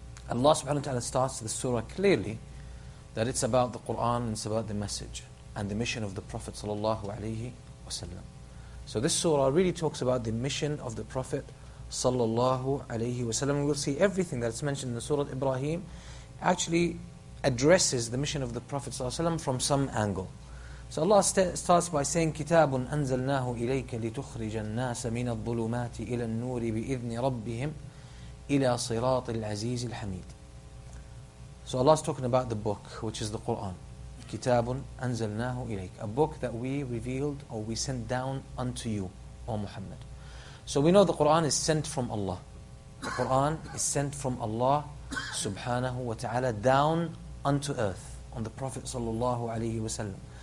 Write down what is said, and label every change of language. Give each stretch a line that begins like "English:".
English: Allah subhanahu wa ta'ala starts the surah clearly that it's about the Qur'an and it's about the message and the mission of the Prophet sallallahu alayhi wa sallam. So this surah really talks about the mission of the Prophet sallallahu alayhi wa sallam. We'll see everything that's mentioned in the surah Ibrahim actually addresses the mission of the Prophet sallallahu alayhi wa sallam from some angle. So Allah starts by saying,
Arabic: كِتَابٌ أَنزَلْنَاهُ إِلَيْكَ لِتُخْرِجَ النَّاسَ مِنَ الظُّلُمَاتِ إِلَى النُّورِ بِإِذْنِ رَبِّهِمْ إِلَى صِرَاطِ الْعَزِيزِ الْحَمِيدِ.
English: So Allah is talking about the book, which is the Qur'an.
Arabic: كِتَابٌ أَنزَلْنَاهُ إِلَيْكَ.
English: A book that we revealed or we sent down unto you, O Muhammad. So we know the Qur'an is sent from Allah. The Qur'an is sent from Allah subhanahu wa ta'ala down unto earth on the Prophet sallallahu alayhi wa sallam.